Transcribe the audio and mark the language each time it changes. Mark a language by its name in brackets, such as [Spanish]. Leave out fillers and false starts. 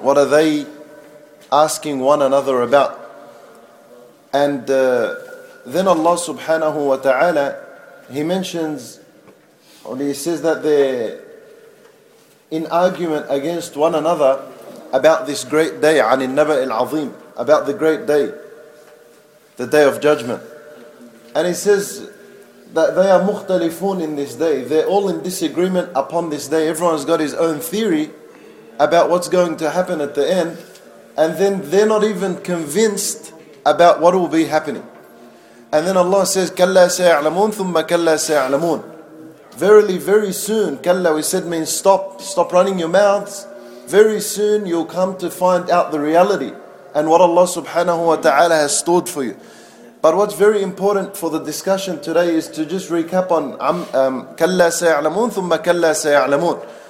[English] What are they asking one another about? And then Allah subhanahu wa ta'ala, He mentions, or He says that they're in argument against one another about this great day, [Arabic] عن النبأ العظيم, [English] about the great day, the day of judgment. And He says that they are مختلفون in this day. They're all in disagreement upon this day. Everyone's got his own theory about what's going to happen at the end. And then they're not even convinced about what will be happening. And then Allah says, [Arabic] كَلَّا سَيَعْلَمُونَ ثُمَّ كَلَّا سَيَعْلَمُونَ. [English] Verily, very soon, كَلَّا, we said, means stop running your mouths. Very soon you'll come to find out the reality and what Allah subhanahu wa ta'ala has stored for you. But what's very important for the discussion today is to just recap on [Arabic] كَلَّا سَيَعْلَمُونَ ثُمَّ كَلَّا سَيَعْلَمُونَ.